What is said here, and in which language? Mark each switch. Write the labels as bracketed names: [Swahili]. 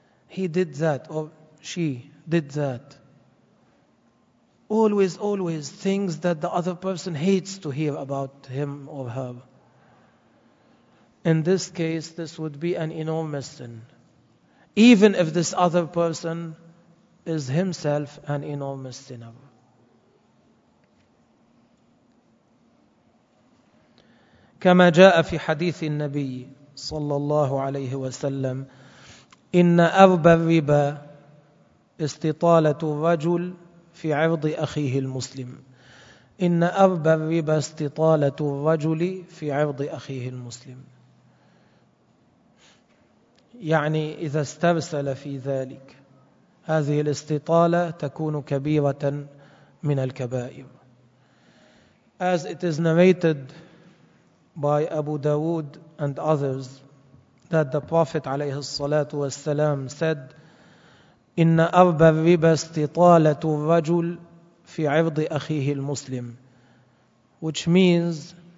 [English] he did that or she did that. Always, always things that the other person hates to hear about him or her. In this case, this would be an enormous sin. Even if this other person is himself an enormous sinner. [Arabic] كما جاء في حديث النبي صلى الله عليه وسلم إن أربى الربا استطالة الرجل في عرض أخيه المسلم إن أربى الربا استطالة الرجل في عرض أخيه المسلم يعني إذا استرسل في ذلك هذه الاستطالة تكون كبيرة من الكبائر. [English] As it is narrated by Abu Dawood and others that the Prophet [Arabic] عليه الصلاة والسلام [English] said [Arabic] إن أربى الربا استطالة الرجل في عرض أخيه المسلم, [English] which means